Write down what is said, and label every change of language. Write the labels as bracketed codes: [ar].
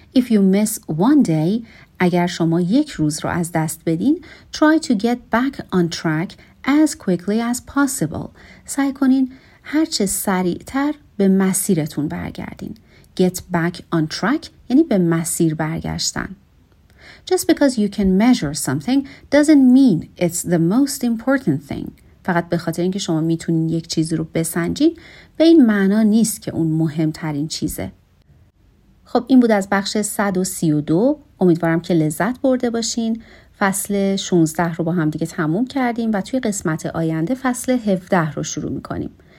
[en] If you miss one day, [fa] اگر شما یک روز رو از دست بدین, [en] try to get back on track as quickly as possible. [fa] سعی کنین هرچه سریعتر به مسیرتون برگردین. [en] Get back on track [fa] یعنی به مسیر برگشتن. [en] Just because you can measure something doesn't mean it's the most important thing. [fa] فقط به خاطر اینکه شما میتونین یک چیز رو بسنجین به این معنا نیست که اون مهمترین چیزه. خب این بود از بخش 132. امیدوارم که لذت برده باشین. فصل 16 رو با هم دیگه تموم کردیم و توی قسمت آینده فصل 17 رو شروع میکنیم.